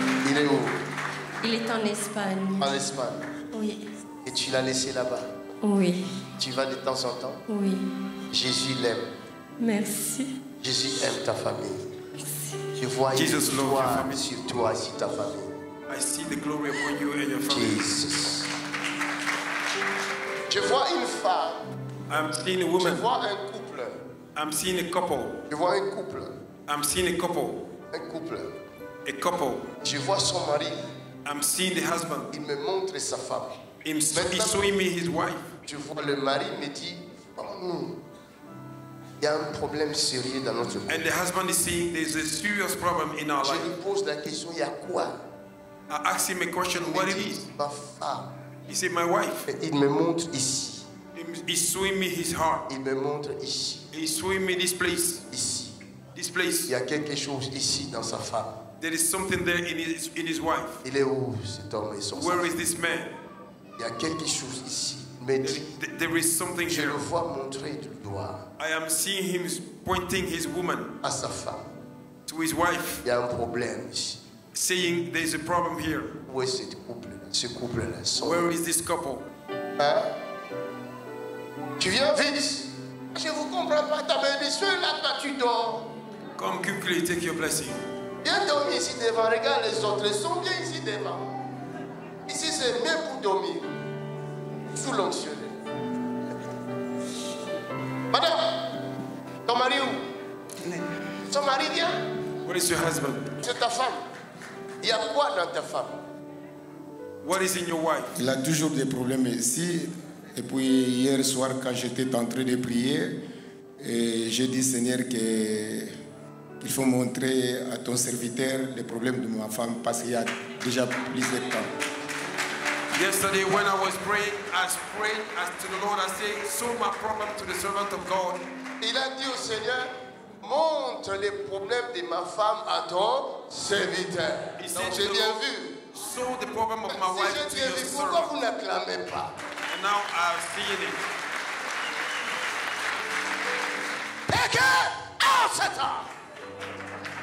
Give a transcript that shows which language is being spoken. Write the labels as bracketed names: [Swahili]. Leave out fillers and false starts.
[French] Il est où? Il est en Espagne. En Espagne? Oui. Et tu l'as laissé là-bas? Oui. Tu vas de temps en temps? Oui. Jésus l'aime. Merci. Jésus aime ta famille. Merci. Je vois Jesus une gloire sur toi et sur ta famille. [English] I see the glory upon you and your family. Jesus. [French] Je vois une femme. [English] I'm seeing a woman. [French] Je vois un couple. [English] I'm seeing a couple. [French] Je vois un couple. [English] I'm seeing a couple. [French] Un couple. [English] A couple. [French] Je vois son mari. [English] I'm seeing the husband. [French] Il me montre sa femme. [English] He's showing me his wife. [French] Je vois le mari me dit, oh, non. Il y a un problème sérieux dans notre couple. [English] And the husband is saying there's a serious problem in our [French] je [English] life. [French] Je lui pose la question, il y a quoi? [English] I asked him a question, what it is? [French] Ma femme. [English] He said, my wife. [French] Il me montre ici. [English] He showing me his heart. [French] Il me montre ici. [English] He showing me this place. [French] Ici. [English] This place. [French] Il y a quelque chose ici dans sa femme. [English] There is something there in his wife. [French] Il est où cet homme et son [English] Where sang. Is this man? [French] Il y a quelque chose ici. Mais [English] there is something [French] je [English] here. [French] Le vois montrer du doigt. [English] I am seeing him pointing his woman [French] à sa femme. [English] To his wife. [French] Il y a un problème ici. [English] Saying there is a problem here. [French] Où est cette couple? Ce couple là. [English] Where is this couple? [French] Hein? Tu viens vite. Je vous comprends pas. Ta bénédiction là, toi tu dors. [English] Come quickly, take your blessing. [French] Viens dormir ici devant. Regarde les autres. Ils sont bien ici devant. Ici c'est mieux pour dormir. Sous l'anxiété. Madame, ton mari où? Ton mari vient? [English] What is your husband? [French] C'est ta femme. Il y a quoi dans ta femme? [English] What is in your wife? [French] Il a toujours des problèmes ici. Et puis hier soir, quand j'étais en train de prier, j'ai dit, Seigneur, qu'il faut montrer à ton serviteur les problèmes de ma femme, parce qu'il y a déjà plus de temps. [English] Yesterday, when I was praying, I prayed to the Lord, I said, show my problem to the servant of God. [French] Il a dit au Seigneur, montre les problèmes de ma femme à ton serviteur. Donc j'ai bien vu. [English] Show the problem of my wife to your servant. [French] Pourquoi vous n'acclamez pas? [English] And now I've seen it. Pick it out, Satan!